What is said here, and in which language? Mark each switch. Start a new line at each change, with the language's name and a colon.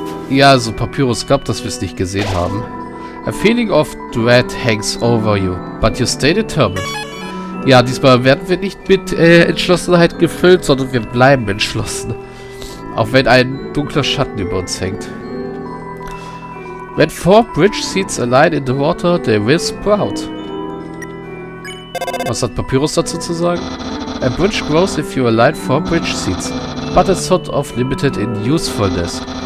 German: Ja, also Papyrus gab, dass wir es nicht gesehen haben.
English: A feeling of dread hangs over you, but you stay determined.
German: Ja, diesmal werden wir nicht mit Entschlossenheit gefüllt, sondern wir bleiben entschlossen. Auch wenn ein dunkler Schatten über uns hängt.
English: When four bridge seats align in the water, they will sprout.
German: Was hat Papyrus dazu zu sagen?
English: A bridge grows if you align four bridge seats, but it's sort of limited in usefulness.